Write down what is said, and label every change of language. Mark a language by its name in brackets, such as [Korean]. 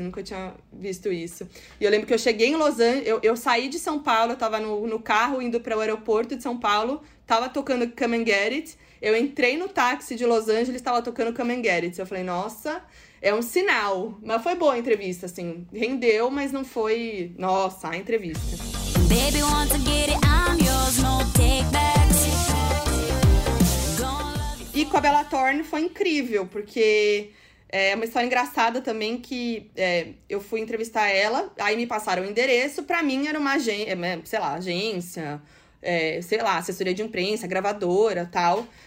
[Portuguese] Nunca tinha visto isso. E eu lembro que eu cheguei em Los Angeles, eu saí de São Paulo, eu tava no carro indo para o aeroporto de São Paulo, tava tocando Come and Get It. Eu entrei no táxi de Los Angeles, tava tocando Come and Get It. Eu falei, nossa, é um sinal. Mas foi boa a entrevista, assim. Rendeu, mas não foi, nossa, a entrevista. [English] Baby, once I get it, I'm yours, no take back. [Portuguese] E com a Bella Thorne foi incrível, porque é uma história engraçada também que eu fui entrevistar ela, aí me passaram o endereço, pra mim era uma agência, sei lá, agência, sei lá, assessoria de imprensa, gravadora e tal.